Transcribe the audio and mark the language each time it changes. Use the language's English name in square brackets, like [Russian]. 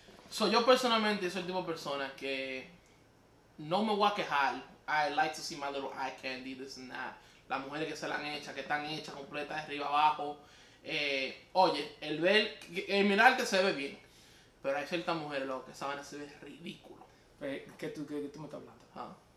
[Spanish] So yo personalmente soy el tipo de persona que no me voy a quejar. [English] I like to see my little eye candy, this and that. [Spanish] Las mujeres que se la han hecha, que están hechas completas de arriba abajo. Oye, el mirarte se ve bien. Pero hay ciertas mujeres, loco, que saben hacer es ridículo. ¿Qué tú me estás hablando?